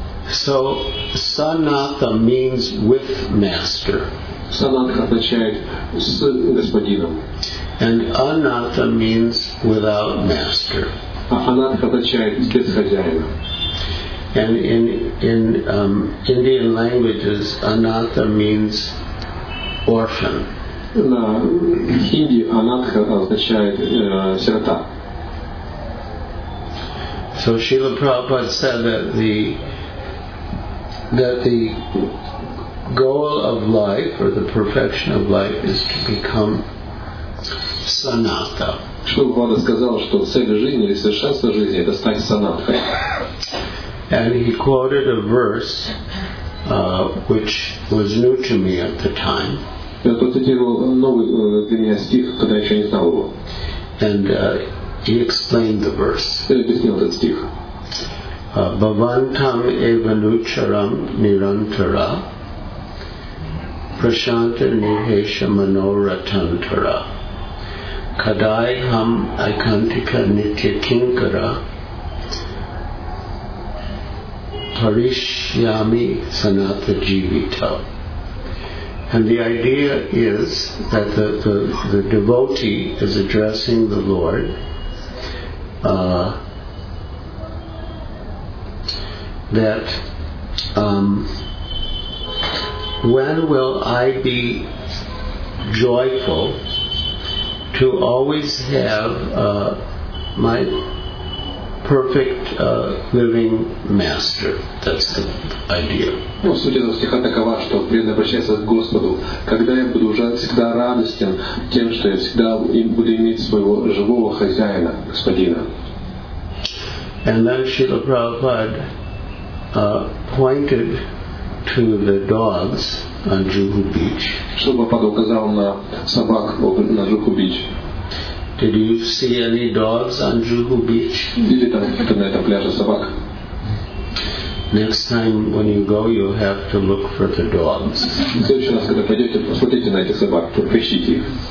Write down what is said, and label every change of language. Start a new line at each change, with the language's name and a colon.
English: So, sanatha means with master.
Russian: Sanatha означает с господином.
English: And anatha means without master.
Russian: Anatha означает без хозяина.
English: And in Indian languages, anatha means orphan.
Russian: На хинди анатха означает сирота.
English: So Srila Prabhupada said that the goal of life or the perfection of life is to become sanatha.
Russian: Шрила Прабхупада сказал, что цель жизни или совершенство жизни это стать санатхой.
English: And he quoted a verse which was new to me at the time.
Russian: Я процитировал новый для меня стих, когда еще не знал его.
English: And he explained the verse.
Russian: Я объяснил этот стих.
Sanskrit: Bhavantam evanucharam nirantara prashanta nihesha manoratantara kadai ham aikantika nitya kinkara parishyami sanatha jivita.
English: And the idea is that the devotee is addressing the Lord that when will I be joyful to always have my perfect living master. That's the idea.
Russian: Ну, суть этого стиха такова, что преданный обращается к Господу. Когда я буду уже всегда радостен тем, что я всегда буду иметь своего живого хозяина, господина.
English: And then Srila Prabhupada pointed to the dogs on Juhu Beach.
Russian: Что Прабхупада указал на собак на Juhu Beach?
English: Did you see any dogs on Juhu Beach?
Russian: Видели там кто на этом пляже собак?
English: Next time when you go, you have to look for the dogs.
Russian: Следующий раз, когда пойдете, посмотрите на этих собак, поищите их.